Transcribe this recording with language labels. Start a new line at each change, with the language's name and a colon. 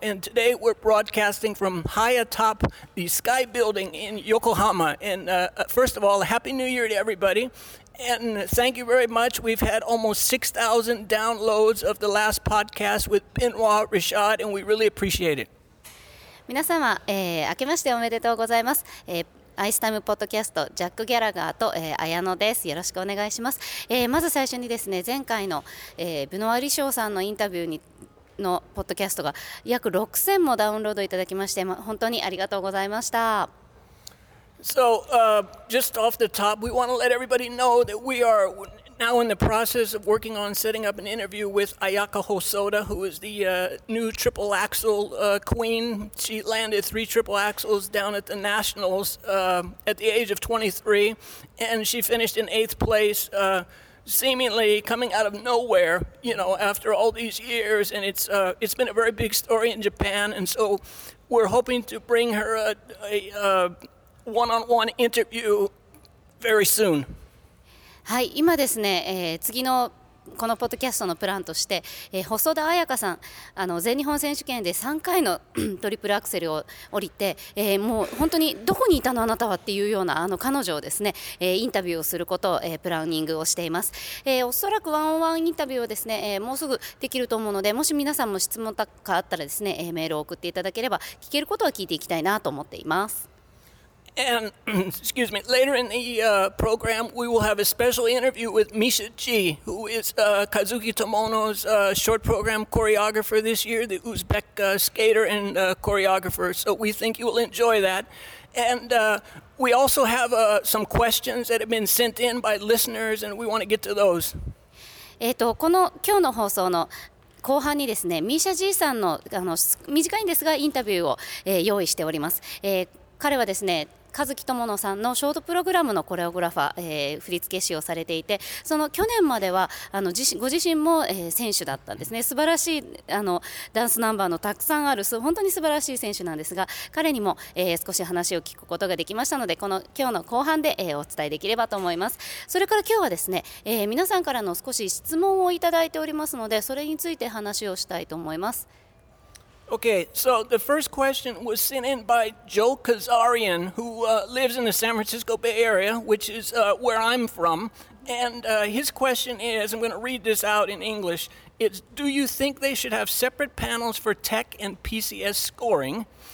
English: And today we're broadcasting from high atop the Sky Building in Yokohama. And first of all, Happy New Year to everybody. And thank you very much. We've had almost 6,000 downloads of the last podcast with Benoit Richard, and we really appreciate it.
Japanese: 皆様、明けましておめでとうございます。アイスタイムポッドキャストジャック・ギャラガーと、綾野です。よろしくお願いします。まず最初にですね、前回の、ブノワ・リショーさんのインタビューにのポッドキャストが約6000もダウンロードいただきまして、本当にありがとうございました。
English: So, just off the top, we want to let everybody know that we are now in the process of working on setting up an interview with Ayaka Hosoda, who is the new triple axel queen. She landed 3 triple axels down at the Nationals at the age of 23, and she finished in 8th place, seemingly coming out of nowhere, you know, after all these years. And it's been a very big story in Japan, and so we're hoping to bring her a one-on-one interview very soon.
Japanese: はい、今ですね、次のこのポッドキャストのプランとして、細田彩香さん、全日本選手権で3回のトリプルアクセルを降りて、もう本当にどこにいたのあなたはっていうような、彼女をですね、インタビューをすることを、プランニングをしています。おそらくワンオンワンインタビューをですね、もうすぐできると思うので、もし皆さんも質問とかあったらですね、メールを送っていただければ、聞けることは聞いていきたいなと思っています。
English: And, excuse me, later in the program, we will have a special interview with Misha Chi, who is Kazuki Tomono's short program choreographer this year, the Uzbek skater and choreographer. So we think you will enjoy that. And we also have some questions that have been sent in by listeners, and we want to get to those.
Japanese: この今日の放送の後半にですね、ミシャ G さんの、短いんですがインタビューを、用意しております。彼はですね、和樹智乃さんのショートプログラムのコレオグラファー、振付師をされていて、その去年まではご自身も、選手だったんですね。素晴らしいダンスナンバーのたくさんある、本当に素晴らしい選手なんですが、彼にも、少し話を聞くことができましたので、この今日の後半で、お伝えできればと思います。それから今日はですね、皆さんからの少し質問をいただいておりますので、それについて話をしたいと思います。
English: Okay, so the first question was sent in by Joe Kazarian, who lives in the San Francisco Bay Area, which is where I'm from. And his question is, I'm going to read this out in English. It's, do you think they should have separate panels for tech and PCS scoring?